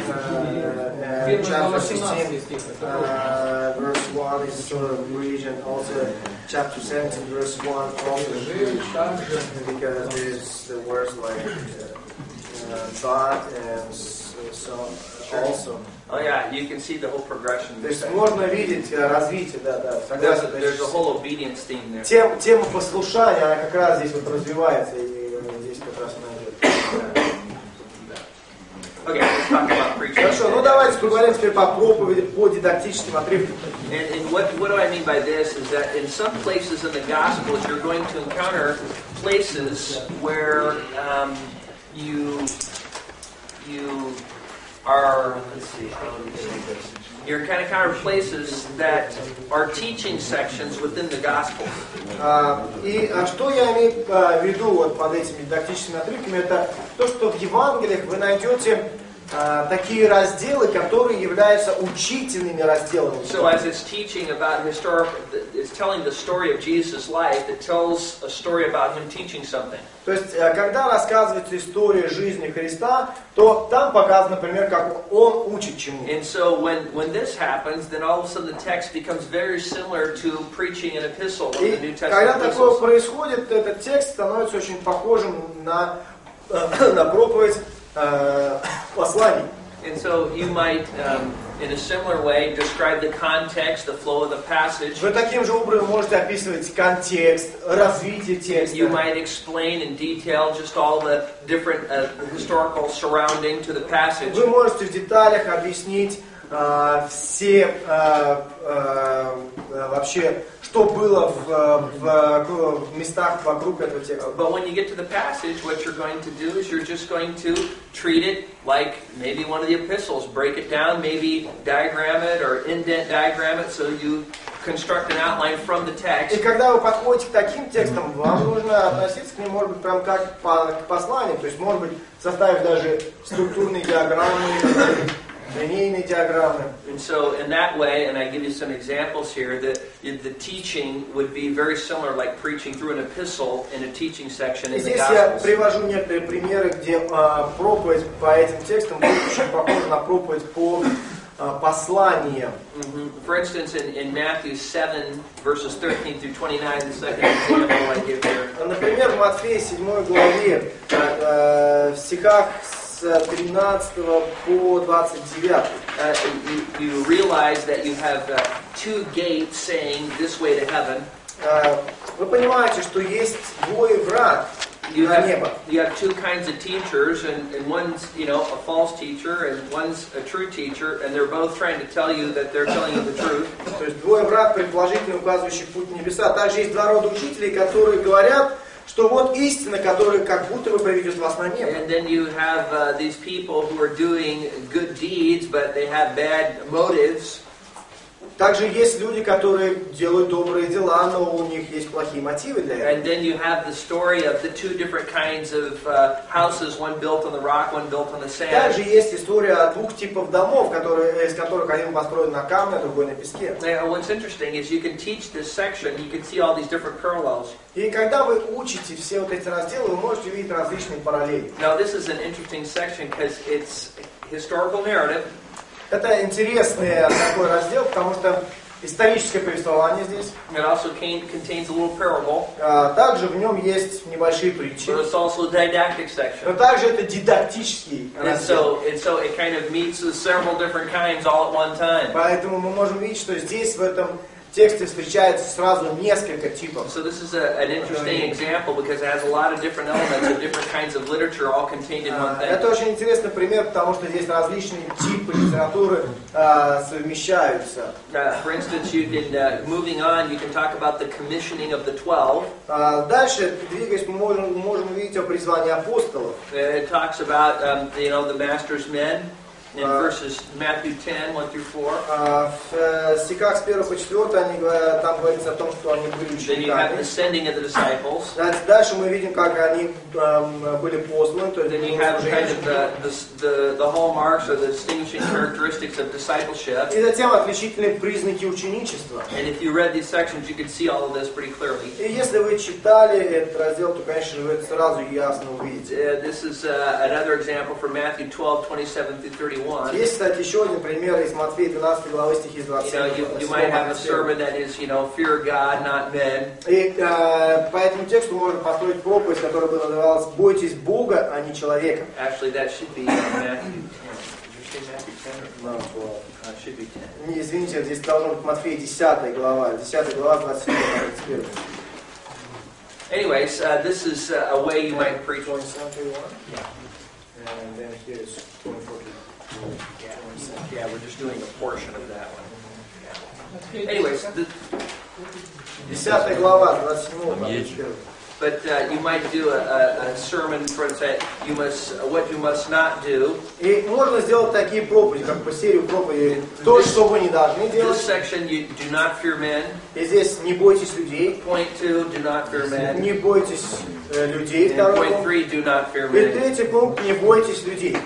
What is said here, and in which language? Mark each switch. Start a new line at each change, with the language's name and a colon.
English: Chapter 16, verse 1 is sort of bridge, and also chapter 17, verse 1 also bridge because there's the words like. Oh yeah, you can see the whole progression.
Russian: То есть можно видеть развитие, да.
English: There's a whole obedience theme there.
Russian: Тема послушания, она как раз здесь вот развивается, и здесь как раз она идет.
English: Okay,
Russian: хорошо, ну давайте поговорим теперь по проповеди, по дидактическим отрывкам.
English: And what do I mean by this is that in some places in the Gospels you're going to encounter places where you are, let's see, you're kind of counter places that are teaching sections within the gospel.
Russian: Что я имею в виду вот под этими дидактическими отрывками, это то, что в Евангелиях вы найдете такие разделы, которые являются учительными разделами.
English: So as it's teaching about historical, it's telling the story of Jesus' life, it tells a story about him teaching something.
Russian: То есть, когда рассказывается история жизни Христа, то там показано, например, как он учит чему.
English: And so when this happens, then all of a sudden the text becomes very similar to preaching an epistle of the New Testament.
Russian: И когда такое происходит, этот текст становится очень похожим на проповедь.
English: And so you might, in a similar way, describe the context, the flow of the passage.
Russian: Вы таким же образом можете описывать контекст, развитие текста.
English: You might explain in detail just all the different historical surrounding to the passage.
Russian: Вы можете в деталях объяснить все вообще, что было в местах вокруг этого текста.
English: But when you get to the passage, what you're going to do is you're just going to treat it like maybe one of the epistles. Break it down, maybe diagram it or indent diagram it, so you construct an outline from the text.
Russian: И когда вы подходите к таким текстам, вам нужно относиться к ним, может быть, прям как к посланию, то есть, может быть, составив даже структурные диаграммы.
English: And so in that way, and I give you some examples here, that the teaching would be very similar, like preaching through an epistle in a teaching section in the Gospels.
Russian: Здесь я привожу некоторые примеры, где проповедь по этим текстам будет очень похожа на проповедь по посланиям.
English: For instance, in Matthew 7, verses 13 through 29, the second example I give here.
Russian: Например, в Матфея 7 главе, в стихах с 13 по 29.
English: You realize that you have two gates saying this way to heaven.
Russian: Вы понимаете, что есть двое врат, и
English: you have two kinds of teachers, and one's, you know, a false teacher, and one's a true teacher, and they're both trying to tell you that they're telling you the truth.
Russian: То есть двое врагов, предположительно указывающих путь небеса. Также есть два рода учителей, которые говорят, что вот истина, которая как будто бы приведет вас на небо.
English: And then you have these people who are doing good deeds, but they have bad motives.
Russian: Также есть люди, которые делают добрые дела, но у них есть плохие мотивы для этого.
English: And then you have the story of the two different kinds of houses, one built on the rock, one built on the sand.
Russian: Также есть история о двух типах домов, из которых один построен на камне, другой на песке.
English: Now, what's interesting is you can teach this section, you can see all these different parallels.
Russian: И когда вы учите все вот эти разделы, вы можете увидеть различные параллели.
English: Now, this is an interesting section because it's historical narrative.
Russian: Это интересный такой раздел, потому что историческое повествование здесь.
English: It also contains a little parable.
Russian: Также в нем есть небольшие притчи.
English: But it's also a didactic section.
Russian: Но также это дидактический раздел.
English: And so it kind of meets with several different kinds all at one time.
Russian: Поэтому мы можем видеть, что здесь в этом тексте встречается сразу несколько типов.
English: So this is an interesting example because it has a lot of different elements of different kinds of literature all contained in one thing.
Russian: Это очень интересный пример, потому что здесь различные типы литературы совмещаются.
English: For instance, you can, moving on, you can talk about the commissioning of the 12.
Russian: Дальше, двигаясь, мы можем увидеть о призвании апостолов.
English: It talks about you know, the master's men. In verses Matthew 10, 1-4.
Russian: Стихах с 1 по 4 они говорят, там говорится о том, что они были учениками.
English: Then you have the sending of the disciples.
Russian: Дальше мы видим, как они были посланы.
English: Then you have kind of the hallmarks or the distinguishing characteristics of discipleship.
Russian: И затем отличительные признаки ученичества.
English: And if you read these sections, you could see all of this pretty clearly.
Russian: И если вы читали этот раздел, то, конечно, вы это сразу ясно увидите.
English: This is another example from Matthew 12, 27-30.
Russian: Есть, кстати, еще один пример из Матфея 12 главы, стихи 27. И по этому тексту можно построить проповедь, которая бы называлась «Бойтесь Бога, а не человека».
English: Actually, that should be Matthew 10. Did you say Matthew 10 or 12? Well, it should be 10.
Russian: Извините, здесь должно быть Матфея 10 глава. 10 глава, 27-31.
English: Anyways, this is a way you might preach. 27-31? Yeah. And then here is 24-31. Yeah, we're just doing a portion of that one. Yeah. Anyways,
Russian: десятая глава, 27.
English: But you might do a sermon for instance, what you must not do.
Russian: И можно сделать такие проповеди, как по серию проповеди, то, что вы не должны делать.
English: This section, you do not fear men.
Russian: И здесь не бойтесь людей.
English: Point two, do not fear men.
Russian: Не бойтесь людей.
English: And point three, do not fear men.
Russian: И третий пункт, не бойтесь людей.